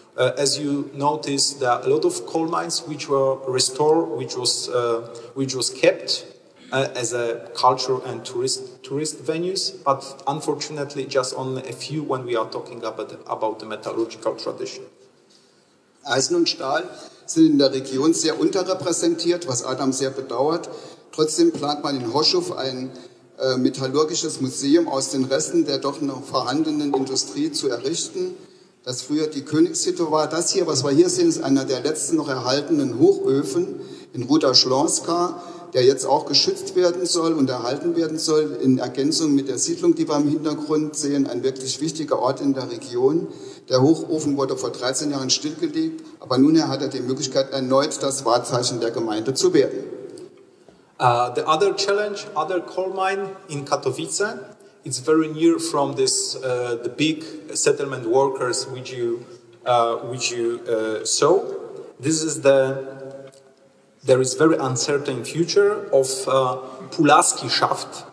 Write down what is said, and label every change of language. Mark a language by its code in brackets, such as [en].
[en] As you notice, there are a lot of coal mines which were restored, which was kept as a cultural and tourist venues, but unfortunately just only a few when we are talking about the metallurgical tradition. [de] Eisen und Stahl sind in der Region sehr unterrepräsentiert, was Adam sehr bedauert. Trotzdem plant man in Chorzów ein metallurgisches Museum aus den Resten der doch noch vorhandenen Industrie zu errichten, das früher die Königshütte war. Das hier, was wir hier sehen, ist einer der letzten noch erhaltenen Hochöfen in Ruda Śląska, der jetzt auch geschützt werden soll und erhalten werden soll, in Ergänzung mit der Siedlung, die wir im Hintergrund sehen, ein wirklich wichtiger Ort in der Region. Der Hochofen wurde vor 13 Jahren stillgelegt, aber nunher hat er die Möglichkeit, erneut das Wahrzeichen der Gemeinde zu werden. [en] The other challenge, other coal mine in Katowice, it's very near from this the big settlement workers which you saw. This is the there is very uncertain future of Pulaski Shaft.